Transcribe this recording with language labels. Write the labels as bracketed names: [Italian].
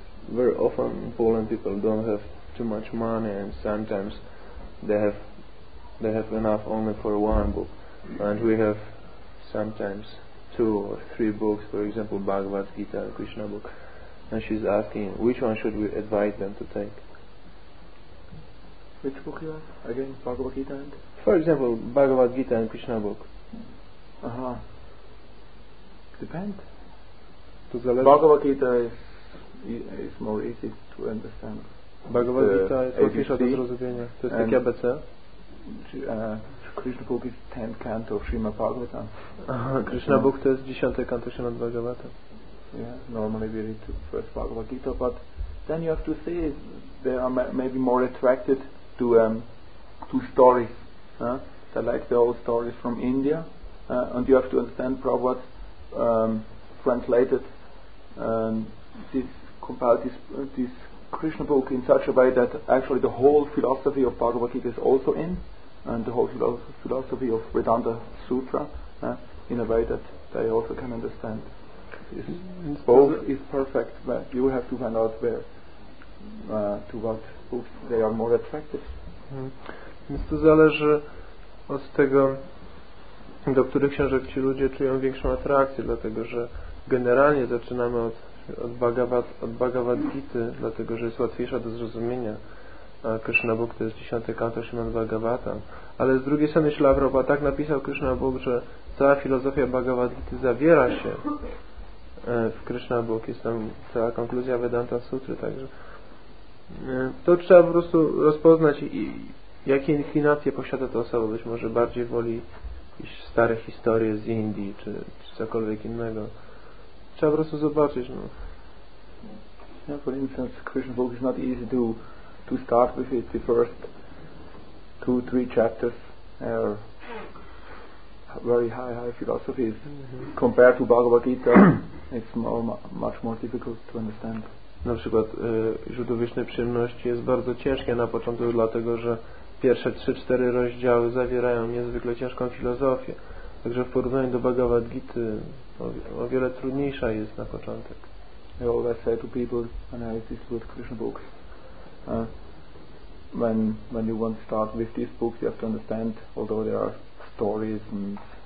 [English] Very often Poland people don't have too much money, and sometimes they have enough only for 1 book, and we have sometimes 2 or 3 books, for example Bhagavad Gita or Krishna book, and she's asking which one should we advise them to take. Which book you have? Again, Bhagavad Gita and? For example, Bhagavad Gita and Krishna book. Depends. Bhagavad Gita is more easy to understand. [Polish] Bhagavad Gita [English] is [Polish] łatwiejsza do zrozumienia. To jest taki ABC. [English] Krishna book is 10th canto of Srimad Bhagavatam. [Polish] Krishna book to jest [English] 10th canto [Polish] Srimad Bhagavatam. [English] Yeah, normally we read the first Bhagavad Gita, but then you have to see they are maybe more attracted to stories. They like the old stories from India, and you have to understand Prabhupada translated this Krishna book in such a way that actually the whole philosophy of Bhagavad Gita is also in, and the whole philosophy of Vedanta Sutra in a way that they also can understand. Is perfect, but you have to find out where to what books they are more attractive. [Polish] Więc to zależy od tego, do których książek ci ludzie czują większą atrakcję, dlatego że generalnie zaczynamy od Bhagavad Gita, dlatego że jest łatwiejsza do zrozumienia. Krishna Book to jest 10 kanto Śrimad Bhagavatam. Ale z drugiej strony Śrila Prabhupada tak napisał Krishna Book, że cała filozofia Bhagavad Gita zawiera się w Krishna Book. Jest tam cała konkluzja Vedanta Sutry, także to trzeba po prostu rozpoznać, jakie inklinacje posiada ta osoba. Być może bardziej woli jakieś stare historie z Indii czy cokolwiek innego. Trzeba po prostu zobaczyć. [English] For instance, Krishna book is not easy to start with it. The first 2-3 chapters are very high philosophies. Compared to Bhagavad Gita, it's much more difficult to understand. [Polish] Na przykład źródło wiecznej przyjemności jest bardzo ciężkie na początku, dlatego że pierwsze 3-4 rozdziały zawierają niezwykle ciężką filozofię. Także w porównaniu do Bhagavad Gita o wiele trudniejsza jest na początek. [English] I always say to people, and I this with Krishna books, when you want to start with these books, you have to understand, although there are stories and